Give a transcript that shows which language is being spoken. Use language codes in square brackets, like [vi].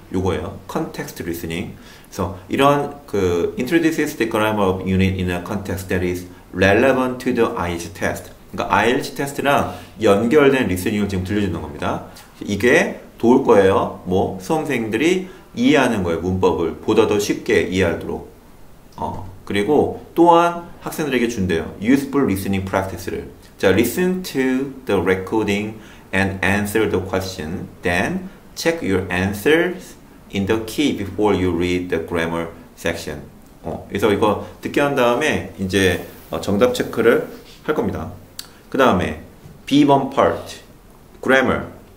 [ko] 요거예요. [en] Context Listening. [ko] 그래서 이런 그 [en] introduces the grammar of unit in a context that is relevant to the IELTS test. [ko] 그러니까 IELTS test랑 연결된 리스닝을 지금 들려주는 겁니다. 이게 도울 거예요. 뭐 수험생들이 이해하는 거예요. 문법을 보다 더 쉽게 이해하도록. 그리고 또한 학생들에게 준대요. [en] Useful listening practice를. 자, listen to the recording and answer the question. Then check your answers in the key before you read the grammar section. [ko] 그래서 이거 듣게 한 다음에 이제 정답 체크를 할 겁니다. 그 다음에 B1 part, grammar.